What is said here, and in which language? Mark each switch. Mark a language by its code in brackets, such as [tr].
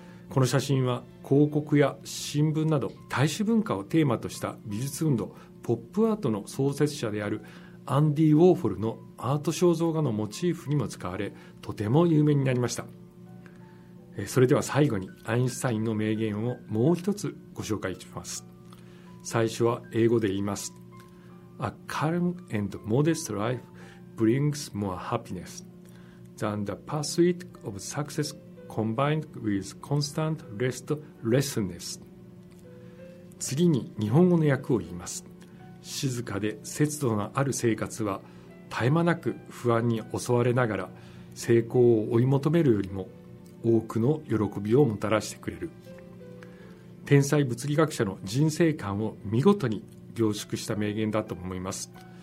[ja] この写真は広告や新聞など大衆文化をテーマとした美術運動ポップアートの創設者であるアンディ・ウォーホルのアート肖像画のモチーフにも使われ、とても有名になりました。それでは最後にアインシュタインの名言をもう一つご紹介します。最初は英語で言います。 [en] A calm and modest life brings more happiness than the pursuit of success combined with constant restlessness。 [ja] 次に日本語の訳を言います。静かで節度のある生活は絶え間なく不安に襲われながら成功を追い求めるよりも多くの喜びをもたらしてくれる。天才物理学者の人生観を見事に凝縮した名言だと思います。